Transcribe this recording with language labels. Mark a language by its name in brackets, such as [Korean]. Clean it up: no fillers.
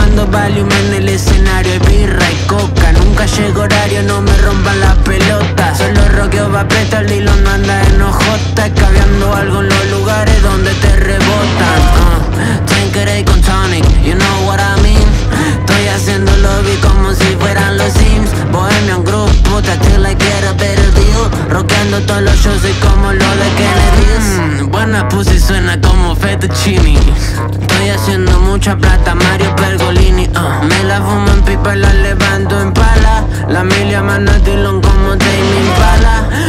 [Spanish] Valium en el escenario, es birra y coca. Nunca llego horario, no me rompan la pelota. Solo roqueo va preto, el Dylan manda en OJ. Cabeando algo en los lugares donde te rebotan. Tanqueray con tonic, [English] you know what I mean. [Spanish] Estoy haciendo lobby como si fueran los Sims. [English] Bohemian group, puta, still I get a better deal. [Spanish] Roqueando todos los shows, soy como lo de Kennedy. Buena pussy, suena como fettuccini. Estoy haciendo mucha plata, Mario Pergolini. Me la fumo en pipa y la levanto en pala. La milia mano a Dylan como Damien Pala.